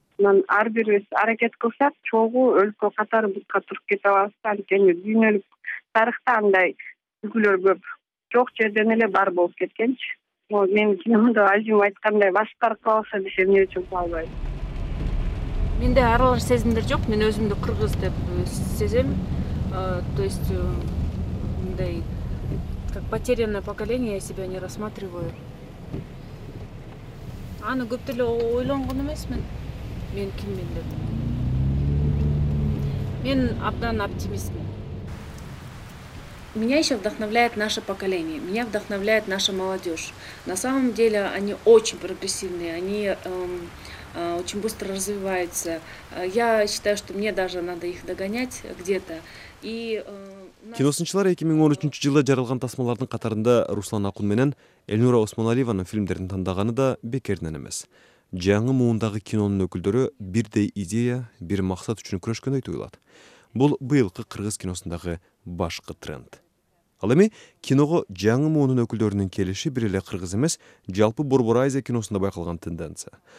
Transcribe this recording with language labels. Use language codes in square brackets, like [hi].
[ky] Анан ар бирибиз аракет кылсак, чогуу өлкө катары бутка туруп кете алабыз да. Анткени дүйнөлүк тарыхта андай үлгүлөр көп, жок жерден эле бар болуп кеткенчи. Менин киномду азим айткандай башкарып калса десе эмне үчүн калбайт? Менде аралаш сезимдер жок, мен өзүмдү кыргыз деп сезем. [ru] То есть [ky] мындай [ru] как потерянное поколение я себя не рассматриваю. [ky] Аны көп деле ойлонгон эмесмин мен кимин деп. Мен абдан оптимистмин. [ru] Меня еще вдохновляет наше поколение, меня вдохновляет наша молодежь. На самом деле они очень прогрессивные, они очень быстро развиваются. Я считаю, что мне даже надо их догонять где-то. [ky] Киносунчулар 2013 жылда жаралган тасмалардын катарында Руслан Акун менен Элнура Осмоналиеванын фильмдерин тандаганы да бекеринен эмес. Жаңы муундагы кинонун өкүлдөрү бирдей идея, бир максат үчүн күрөшкөндөй туюлат. Бул быйылкы кыргыз киносундагы башкы тренд. Ал эми киного жаңы муунун өкүлдөрүнүн келиши бир эле кыргыз эмес, жалпы Борбор Азия киносунда байкалган тенденция.